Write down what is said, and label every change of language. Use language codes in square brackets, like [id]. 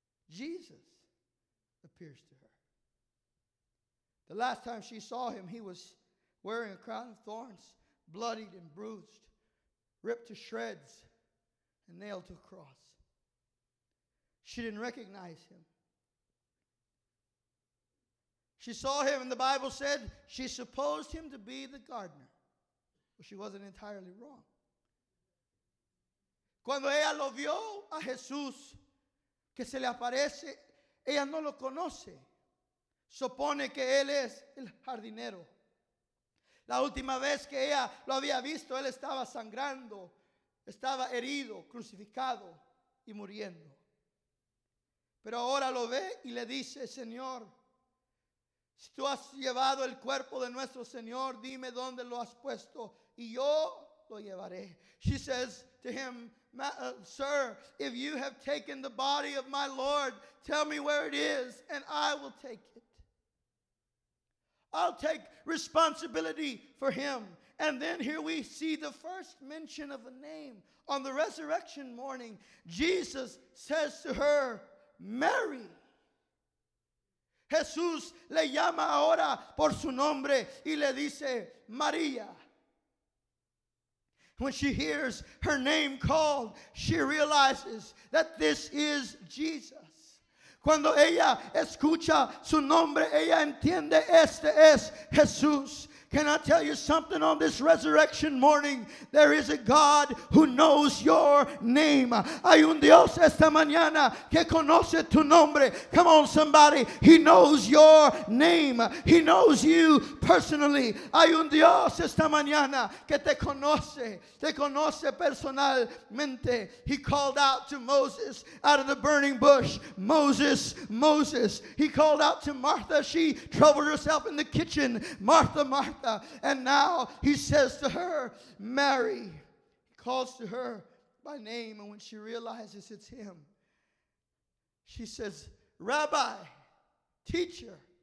[en] Jesus appears to her. The last time she saw him, he was wearing a crown of thorns, bloodied and bruised, ripped to shreds, and nailed to a cross. She didn't recognize him. She saw him, and the Bible said she supposed him to be the gardener. But she wasn't entirely wrong. [es] Cuando ella lo vio a Jesús, que se le aparece, ella no lo conoce. Supone que él es el jardinero. La última vez que ella lo había visto, él estaba sangrando, estaba herido, crucificado y muriendo. Pero ahora lo ve y le dice, Señor, si tú has llevado el cuerpo de nuestro Señor, dime dónde lo has puesto y yo lo llevaré. [en] She says to him, Sir, if you have taken the body of my Lord, tell me where it is and I will take it. I'll take responsibility for him. And then here we see the first mention of a name on the resurrection morning. Jesus says to her, Mary. [es] Jesús le llama ahora por su nombre y le dice, María. [en] When she hears her name called, she realizes that this is Jesus. [es] Cuando ella escucha su nombre, ella entiende, este es Jesús. [en] Can I tell you something on this resurrection morning? There is a God who knows your name. [es] Hay un Dios esta mañana que conoce tu nombre. [en] Come on, somebody. He knows your name. He knows you personally. [es] Hay un Dios esta mañana que te conoce personalmente. [en] He called out to Moses out of the burning bush. Moses, Moses. He called out to Martha. She troubled herself in the kitchen. Martha, Martha. And now he says to her, Mary. He calls to her by name, and when she realizes it's him, she says, Rabbi, teacher.